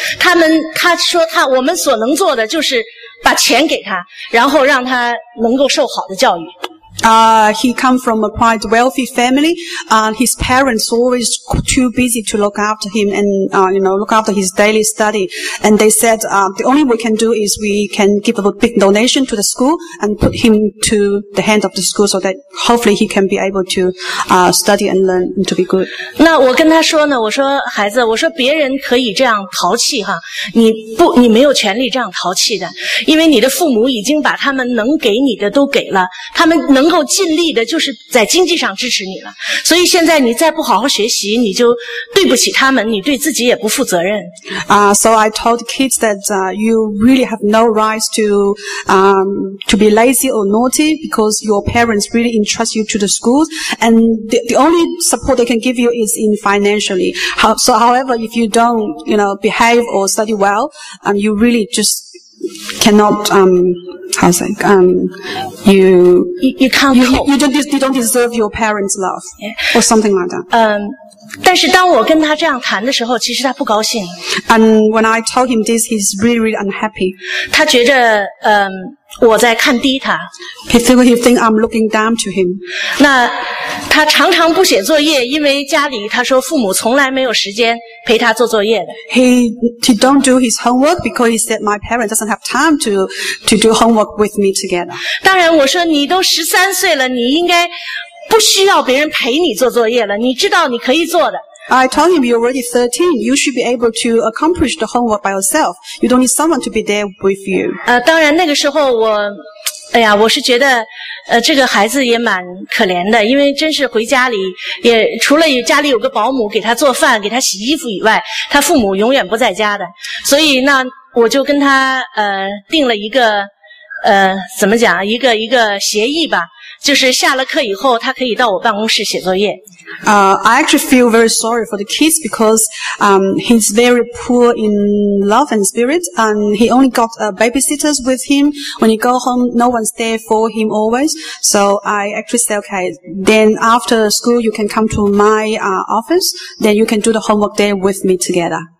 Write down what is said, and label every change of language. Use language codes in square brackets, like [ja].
[zh] 他说他，我们所能做的就是把钱给他，然后让他能够受好的教育。 [en] He come from a quite wealthy family. His parents always too busy to look after him and, you know, look after his daily study. And they said, the only we can do is we can give a big donation to the school and put him to the hand of the school so that hopefully he can be able to, study and learn and to be good. [zh] 那我跟他说呢，我说孩子，我说别人可以这样淘气哈，你没有权利这样淘气的，因为你的父母已经把他们能给你的都给了，他们能够尽力的就是在经济上支持你了，所以现在你再不好好学习，你就对不起他们，你对自己也不负责任。 [en] So I told kids that you really have no rights to be lazy or naughty because your parents really entrust you to the schools, and the only support they can give you is in financially. So however, if you don't, you know, behave or study well, you really just cannot. You can't help. You don't deserve your parents' love, or something like that. [zh] 但是当我跟他这样谈的时候，其实他不高兴。 [en] And when I told him this, he's really, really unhappy. [zh] 他觉得我在看低他。 [en] He thinks I'm looking down to him. [zh] 那他常常不写作业，因为家里他说父母从来没有时间陪他做作业的。 [en] He don't do his homework because he said my parents doesn't have time to do homework with me together. [zh] 当然，我说你都13岁了，你应该不需要别人陪你做作业了，你知道你可以做的。 [en] I told him, you're already 13. You should be able to accomplish the homework by yourself. You don't need someone to be there with you. [zh] 当然那个时候我哎呀我是觉得这个孩子也蛮可怜的，因为真是回家里也除了家里有个保姆给他做饭给他洗衣服以外，他父母永远不在家的。所以那我就跟他定了一个怎么讲，一个协议吧，就是下了课以后他可以到我办公室写作业。 [en] I actually feel very sorry for the kids because he's very poor in love and spirit, and he only got babysitters with him. When he go home, no one's there for him always. So I actually say, okay, then after school, you can come to my office, then you can do the homework there with me together.